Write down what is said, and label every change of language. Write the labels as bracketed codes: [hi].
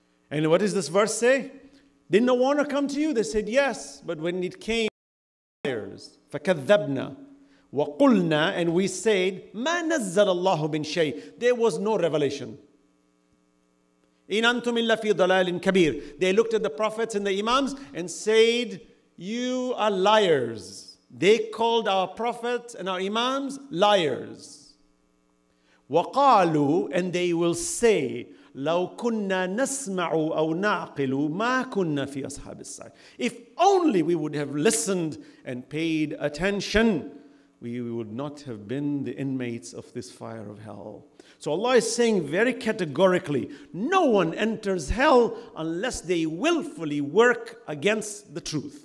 [en] And what does this verse say? Didn't a warner come to you? They said yes, but when it came, [ar] فَكَذَّبْنَا وَقُلْنَا, [en] and we said, [ar] مَا نَزَّلَ اللَّهُ مِنْ شَيْءٍ, [en] there was no revelation. [ar] إِنْ أَنْتُمْ إِلَّا فِي ضَلَالٍ كَبِيرٍ. [en] They looked at the prophets and the imams and said, you are liars. They called our prophets and our imams liars. [ar] وَقَالُوا, [en] and they will say, [ar] لَوْ كُنَّا نَسْمَعُ أَوْ نَعْقِلُ مَا كُنَّا فِي أَصْحَابِ السَّعِيرِ. [en] If only we would have listened and paid attention, we would not have been the inmates of this fire of hell. So Allah is saying very categorically, no one enters hell unless they willfully work against the truth.